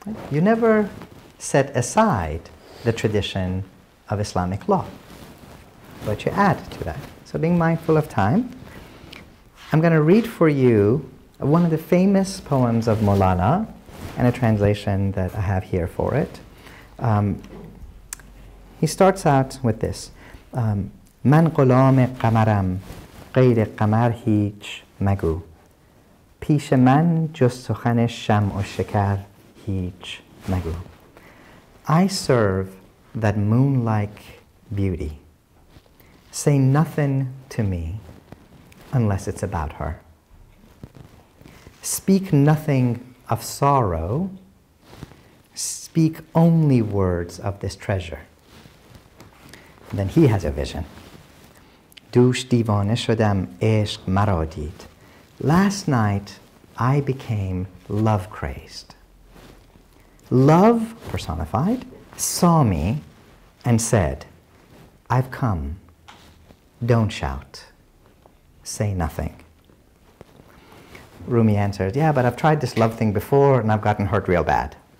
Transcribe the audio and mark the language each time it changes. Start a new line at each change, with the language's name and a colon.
English: You never set aside the tradition of Islamic law, but you add to that. So being mindful of time, I'm going to read for you one of the famous poems of Mawlana and a translation that I have here for it. He starts out with this.
Persian: من غلام قمرم غیر قمر هیچ مگو پیش من جز سخن شمع و شکر هیچ مگو.
English: I serve that moon-like beauty. Say nothing to me unless it's about her. Speak nothing of sorrow. Speak only words of this treasure. And then he has a vision.
Persian: دوش دیوانه شدم عشق مرا دید.
English: Last night I became love crazed. Love personified saw me and said, I've come. Don't shout. Say nothing. Rumi answered, yeah, but I've tried this love thing before and I've gotten hurt real bad.